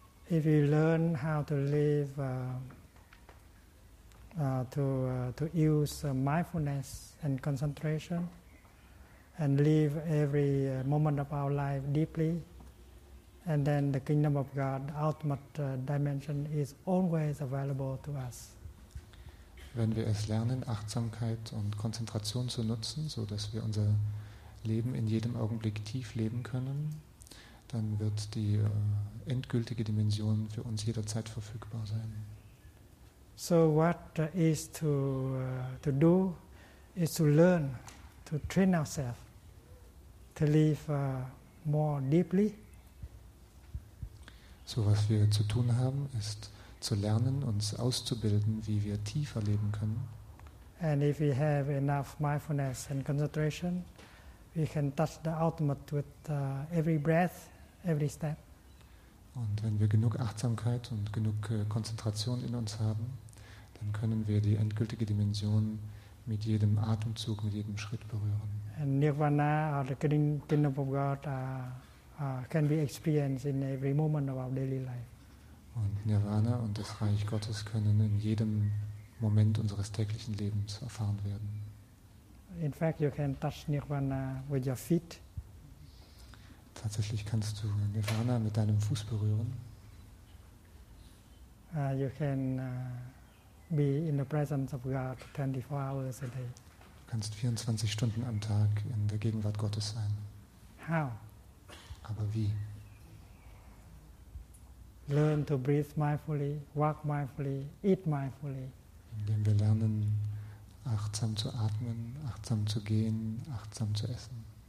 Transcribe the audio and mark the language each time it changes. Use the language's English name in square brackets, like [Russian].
[English] If you learn how to live, to use mindfulness and concentration, and live every moment of our life deeply, and then the kingdom of God, the ultimate dimension, is always available to us. [German] Wenn wir es lernen, Achtsamkeit und Konzentration zu nutzen, so dass wir unser Leben in jedem Augenblick tief leben können, dann wird die endgültige Dimension für uns jederzeit verfügbar sein. [English] So what is to do is to learn, to train ourselves to live more deeply. [German] So was wir zu tun haben, ist zu lernen, uns auszubilden, wie wir tiefer leben können. [English] And if we have enough mindfulness and concentration, we can touch the ultimate with every breath, every step. [German] Und wenn wir genug Achtsamkeit und genug Konzentration in uns haben, dann können wir die endgültige Dimension mit jedem Atemzug, mit jedem Schritt berühren. [English] And Nirvana, or the kingdom of God, can be experienced in every moment of our daily life. [German] Und Nirvana und das Reich Gottes können in jedem Moment unseres täglichen Lebens erfahren werden. [English] In fact, you can touch Nirvana with your feet. [German] Tatsächlich kannst du Nirvana mit deinem Fuß berühren. [English] You can be in the presence of God 24 hours a day. [German] Du kannst 24 Stunden am Tag in der Gegenwart Gottes sein. [English] How? [German] Aber wie? [English] Learn to breathe mindfully, walk mindfully, eat mindfully. [German] Indem wir lernen, achtsam zu atmen, achtsam zu gehen, achtsam zu essen.